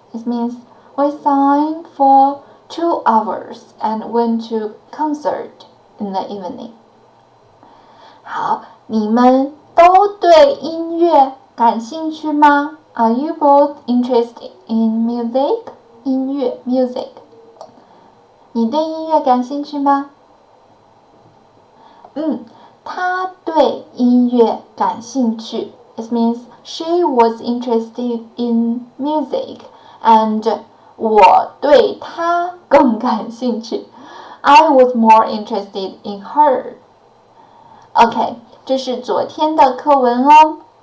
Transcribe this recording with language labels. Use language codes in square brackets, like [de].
[en] This means we sang for 2 hours and went to concert in the evening. [zh] 好，你们都对音乐感兴趣吗? [en] Are you both interested in music? 音乐, music. [zh] 你对音乐感兴趣吗? 她对音乐感兴趣. [en] It means she was interested in music and [zh] 我对她更感兴趣. [en] I was more interested in her. [zh] OK, 这是昨天的课文哦.